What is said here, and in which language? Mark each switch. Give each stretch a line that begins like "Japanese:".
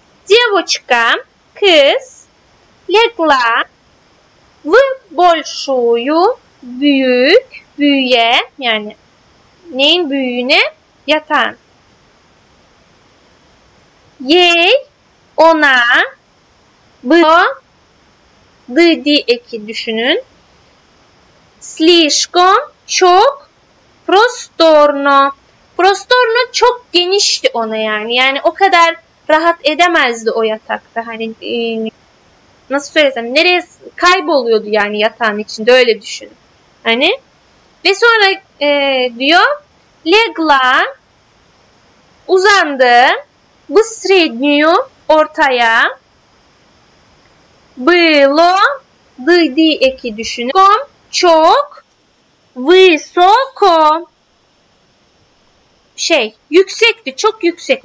Turkish: Девочка, kız,
Russian: легла в большую,
Turkish: büyük, büyüğe, yani neyin büyüğüne? Yatan. Ей, ona, было, dedi eki düşünün.
Russian: Слишком, çok, просторно.
Turkish: Просторно çok genişti ona yani. Yani o kadar rahat edemezdi o yatakta. Hani nasıl söylesem, nereye kayboluyordu yani yatağın içinde, öyle düşünün. Hani ve sonra diyor, легла, uzandı,
Russian: в среднюю,
Turkish: ortaya, было, dedi eki düşünün, çok, высоко, şey, yüksekti, çok yüksek.